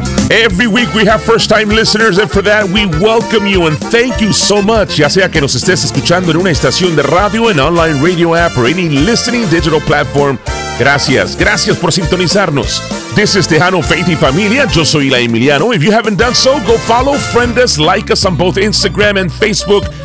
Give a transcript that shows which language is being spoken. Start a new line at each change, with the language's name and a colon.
English: Every week we have first time listeners, and for that we welcome you and thank you so much.
Spanish: Ya sea que nos estés escuchando en una estación de radio, en
English: online radio app, or any listening digital platform,
Spanish: gracias, gracias por sintonizarnos.
English: This is
Spanish: Tejano, Faith y Familia. Yo soy La Emiliano.
English: If you haven't done so, go follow, friend us, like us on both Instagram and Facebook.